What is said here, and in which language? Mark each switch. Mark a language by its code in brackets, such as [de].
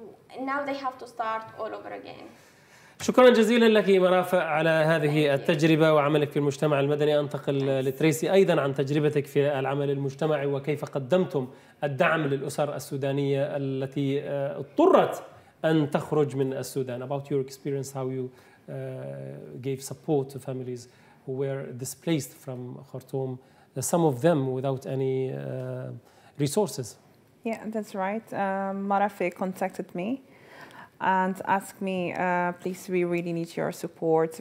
[en] Now they have to start all over again. [ar] شكرا جزيلا لك مرافع على هذه التجربة وعملك في المجتمع المدني. أنتقل لتريسي أيضا عن تجربتك في العمل المجتمعي وكيف قدمتم الدعم للأسر السودانية التي اضطرت أن تخرج من السودان. [en] About your experience, how you gave support to families who were displaced from Khartoum, some of them without any resources. Yeah, that's right. Marafe contacted me and asked me, please, we really need your support.